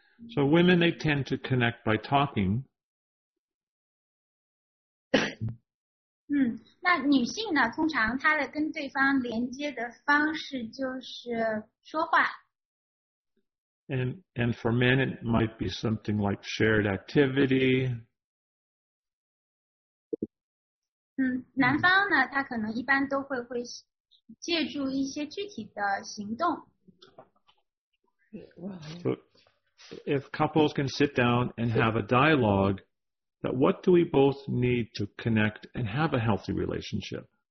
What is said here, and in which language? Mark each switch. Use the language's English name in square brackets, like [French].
[English] So women, they tend to connect by talking. [Chinese] 那女性呢，通常她的跟对方连接的方式就是说话。 [English] And for men, it might be something like shared activity. [Chinese] 男方呢，他可能一般都会借助一些具体的行动。 [English] So if couples can sit down and have a dialogue, that what do we both need to connect and have a healthy relationship?